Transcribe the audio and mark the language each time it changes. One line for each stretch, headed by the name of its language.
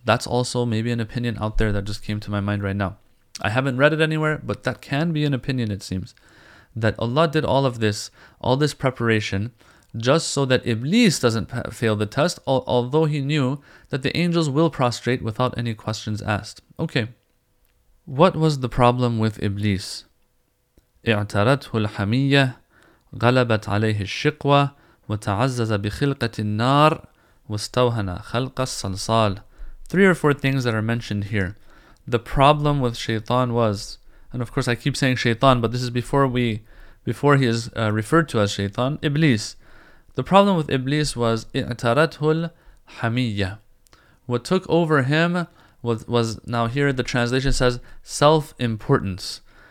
English: That's also maybe an opinion out there that just came to my mind right now. I haven't read it anywhere, but that can be an opinion, it seems. That Allah did all this preparation, just so that Iblis doesn't fail the test, although he knew that the angels will prostrate without any questions asked. Okay, what was the problem with Iblis?
Arabic: اعترته الحمية غلبت عليه الشقوة وتعزز بخلقة النار واستوهن خلق الصلصال.
English: Three or four things that are mentioned here. The problem with Shaytan was, and of course I keep saying Shaytan, but this is before he is referred to as Shaytan, Iblis. The problem with Iblis was
Arabic: اِعْتَرَتْهُ الْحَمِيَّةِ.
English: What took over him was, now here the translation says, self-importance.